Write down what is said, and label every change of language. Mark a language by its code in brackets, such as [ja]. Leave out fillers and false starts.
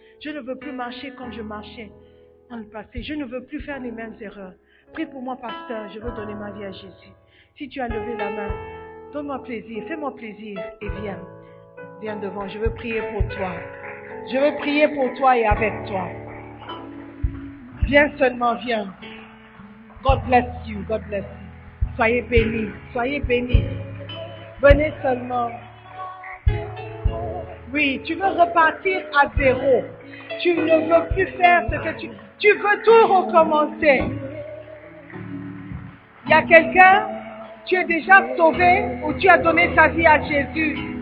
[fr] Je ne veux plus marcher comme je marchais dans le passé. Je ne veux plus faire les mêmes erreurs. Prie pour moi, pasteur, je veux donner ma vie à Jésus. Si tu as levé la main, donne-moi plaisir, fais-moi plaisir et viens. Viens devant, je veux prier pour toi. Je veux prier pour toi et avec toi. Viens seulement, viens. [en] God bless you, God bless you. [fr] Soyez bénis, soyez bénis. Venez seulement. Oui, tu veux repartir à zéro. Tu ne veux plus faire ce que tu... Tu veux tout recommencer. Il y a quelqu'un, tu es déjà sauvé ou tu as donné ta vie à Jésus.